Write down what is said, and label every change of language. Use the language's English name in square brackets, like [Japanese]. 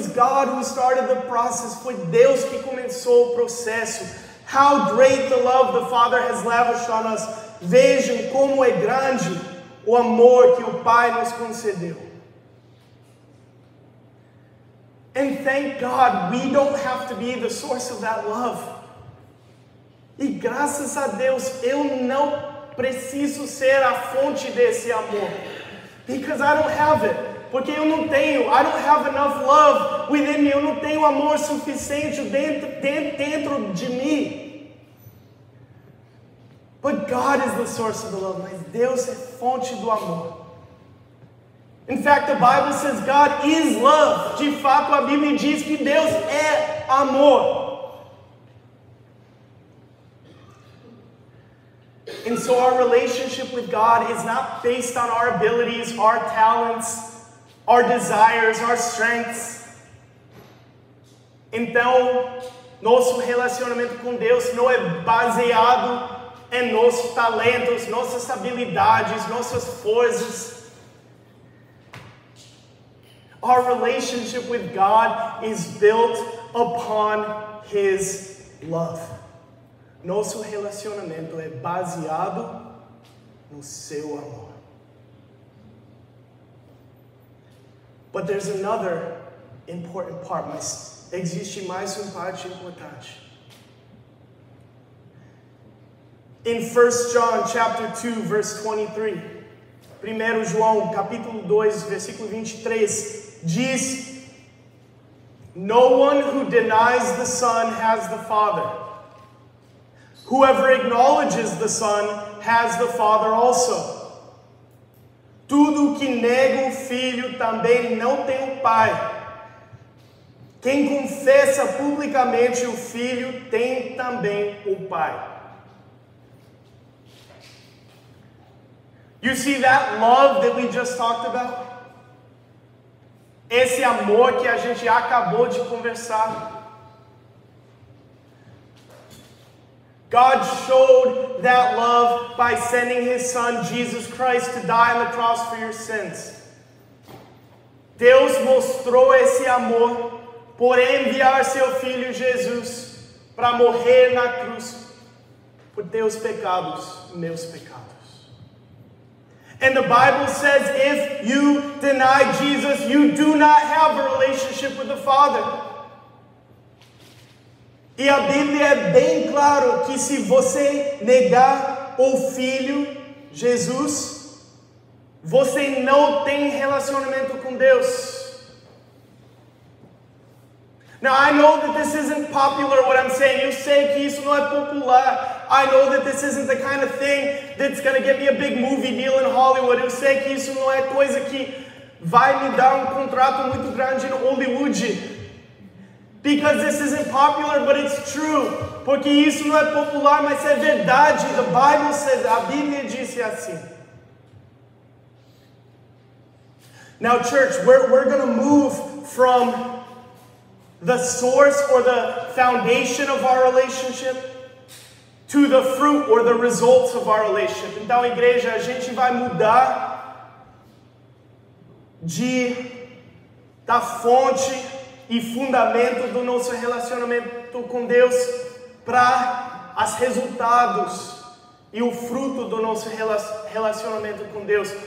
[English] was God who started the process. [Portuguese] Foi Deus que começou o processo. [English] How great the love the Father has lavished on us. [Portuguese] Vejam como é grande o amor que o Pai nos concedeu. [English] And thank God we don't have to be the source of that love. [Portuguese] E graças a Deus eu não preciso ser a fonte desse amor. [English] Because I don't have it. [Portuguese] Porque eu não tenho. [English] I don't have enough love within me. [Portuguese] Eu não tenho amor suficiente dentro de mim. [English] But God is the source of the love. [Portuguese] Mas Deus é fonte do amor. [English] In fact, the Bible says God is love. [Portuguese] De fato, a Bíblia diz que Deus é amor. [English] And so our relationship with God is not based on our abilities, our talents, our desires, our strengths. [Portuguese] Então, nosso relacionamento com Deus não é baseado em nossos talentos, nossas habilidades, nossas forças. [English] Our relationship with God is built upon His love. [Portuguese] Nosso relacionamento é baseado no Seu amor. [English] But there's another important part. [Portuguese] Mas existe mais uma parte importante. [English] In 1 John chapter 2, verse 23. [Portuguese] 1 João, capítulo 2, versículo 23. Diz, [English] no one who denies the Son has the Father. Whoever acknowledges the Son has the Father also. [Portuguese] Tudo que nega o Filho também não tem o Pai. Quem confessa publicamente o Filho tem também o Pai. [English] You see that love that we just talked about? [Portuguese] Esse amor que a gente acabou de conversar. [English] God showed that love by sending His Son, Jesus Christ, to die on the cross for your sins. [Portuguese] Deus mostrou esse amor por enviar seu Filho Jesus para morrer na cruz por teus pecados, meus pecados. [English] And the Bible says, if you deny Jesus, you do not have a relationship with the Father. [Portuguese] E a Bíblia é bem claro que se você negar o Filho Jesus, você não tem relacionamento com Deus. [English] Now, I know that this isn't popular, what I'm saying. [Portuguese] Eu sei que isso não é popular. [English] I know that this isn't the kind of thing that's going to get me a big movie deal in Hollywood. [Portuguese] Eu sei que isso não é coisa que vai me dar um contrato muito grande no Hollywood. [English] Because this isn't popular, but it's true. [Portuguese] Porque isso não é popular, mas é verdade. [English] The Bible says, [Portuguese] a Bíblia disse assim. [English] Now, church, we're going to move from the source or the foundation of our relationship to the fruit or the results of our relationship. [Portuguese] Então, igreja, a gente vai mudar da fonte e fundamento do nosso relacionamento com Deus para os resultados e o fruto do nosso relacionamento com Deus.